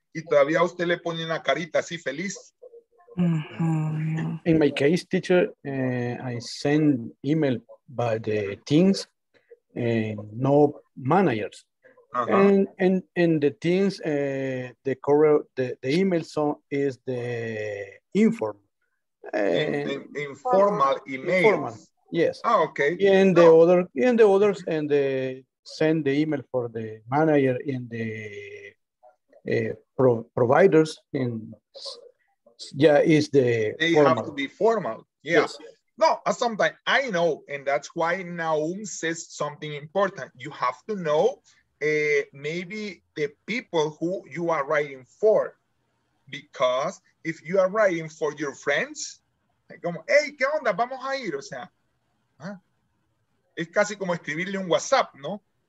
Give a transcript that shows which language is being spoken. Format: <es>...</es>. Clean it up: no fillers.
<es>Y todavía usted le pone una carita así feliz.</es> <en>In my case, teacher, I send email by the teams and no managers. And the teams, the correo, the email song is the informal email. Informal. Yes. Oh, okay. And the others and the send the email for the manager in the providers in is the they formal. Have to be formal. Yeah. Yes. No, sometimes I know, and that's why Naum says something important. You have to know maybe the people who you are writing for. Because if you are writing for your friends, like, como, hey,</en> <es>¿qué onda? Vamos a ir. O sea, es casi como escribirle un WhatsApp, ¿no?</es>